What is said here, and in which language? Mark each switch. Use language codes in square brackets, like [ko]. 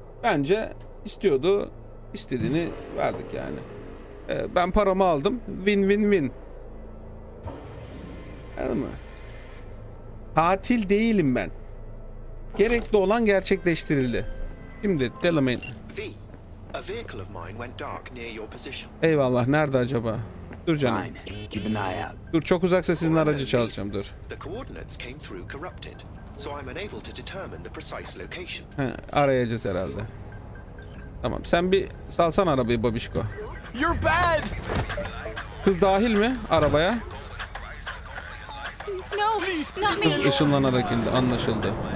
[tr] Bence istiyordu. İstediğini verdik yani. Ben paramı aldım. [en] Win win win. [tr] Anladın mı? Katil değilim ben. Gerekli olan gerçekleştirildi. Şimdi Delamain. [en] A vehicle of mine went dark near your position. [tr] Eyvallah, nerede acaba? Dur canım. [en] Keep an eye out. [tr] Dur, çok uzaksa sizin aracı çalacağım, dur. [en] The coordinates came through corrupted, so I'm unable to determine the precise location. [tr] He, arayacağız herhalde. Tamam, sen bir salsan arabayı babişko. [en] You're bad. [tr] Kız dahil mi arabaya? [en] No, not me. [tr] Işınlanarak indi, anlaşıldı.